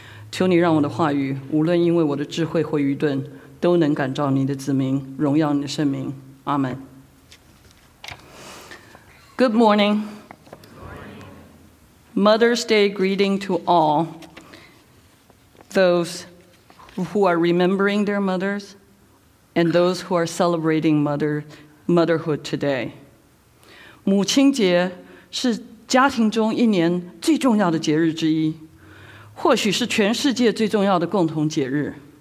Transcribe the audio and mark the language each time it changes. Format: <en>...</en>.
<zh>创造天地万物的主，恩慈的耶稣，引领教导的圣灵，求你来到我们的崇拜中，求你让我的话语，无论因为我的智慧或愚钝， 都能感召你的子民，荣耀你的圣名。Amen.</zh> <en>Good morning. Mother's Day greeting to all those who are remembering their mothers and those who are celebrating motherhood today.</en> <zh>母亲节是家庭中一年最重要的节日之一，或许是全世界最重要的共同节日。</zh>